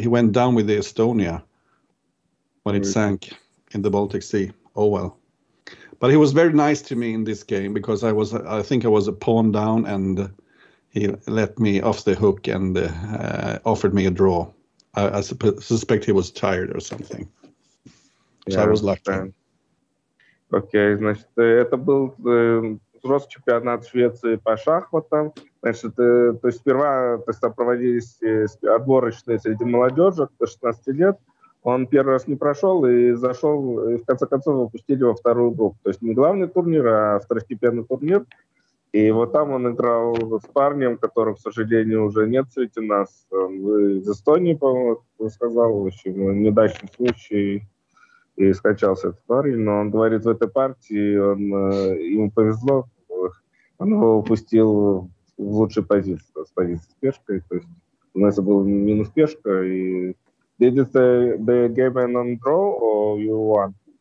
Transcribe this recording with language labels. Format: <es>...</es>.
<en>He went down with the Estonia when it sank in the Baltic Sea. Oh well. But he was very nice to me in this game because I think I was a pawn down, and he let me off the hook and offered me a draw. I suspect he was tired or something. Yeah, okay,</en> <ru>значит, это был взрослый чемпионат Швеции по шахматам. Значит, то есть сперва проводились отборочные среди молодежи до 16 лет. Он первый раз не прошел и зашел, и в конце концов выпустили во вторую группу. То есть не главный турнир, а второстепенный турнир. И вот там он играл с парнем, которого, к сожалению, уже нет среди нас. Он из Эстонии, по-моему, сказал, в общем, неудачный случай. И скачался этот парень, но он говорит, в этой партии он ему повезло, он его упустил в лучшей позиции, с позиции с пешкой, то есть у нас был минус пешка.</ru> <en>И did the game end on draw or you won?</en>